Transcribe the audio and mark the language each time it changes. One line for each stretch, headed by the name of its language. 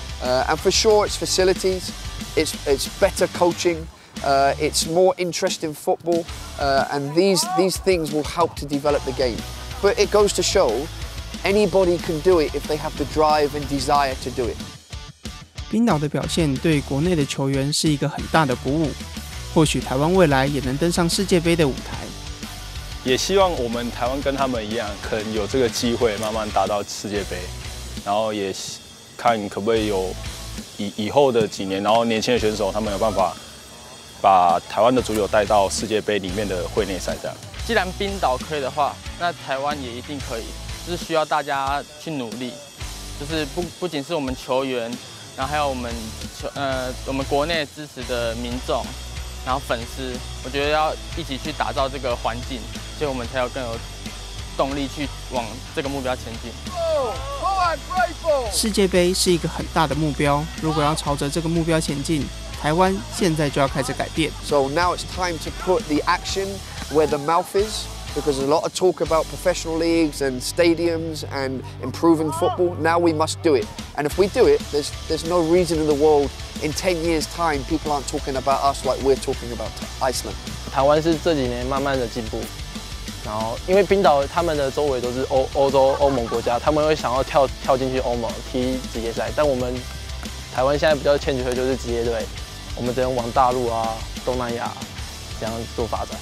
English: And for sure, it's facilities, it's better coaching, it's more interest in football, and these things will help to develop the game. But it goes to show, anybody can do it if they have the drive and desire to do it.
Chinese: 冰岛的表现对国内的球员是一个很大的鼓舞，或许台湾未来也能登上世界杯的舞台。也希望我们台湾跟他们一样，可能有这个机会慢慢达到世界杯，然后也看可不可以有以后的几年，然后年轻的选手他们有办法把台湾的足球带到世界杯里面的会内赛这样。既然冰岛可以的话，那台湾也一定可以，就是需要大家去努力，就是不仅是我们球员，然后还有我们国内支持的民众，然后粉丝，我觉得要一起去打造这个环境，所以我们才有更有动力去往这个目标前进。世界杯是一个很大的目标，如果要朝着这个目标前进，台湾现在就要开始改变。
English: So now it's time to put the action where the mouth is, because there's a lot of talk about professional leagues and stadiums and improving football. Now we must do it. And if we do it, there's no reason in the world in 10 years' time people aren't talking about us like we're talking about Iceland.
Chinese: 台湾是这几年慢慢的进步，然后因为冰岛他们的周围都是欧洲欧盟国家，他们会想要跳进去欧盟踢职业赛，但我们台湾现在比较欠缺的就是职业队，我们只能往大陆啊、东南亚这样做发展。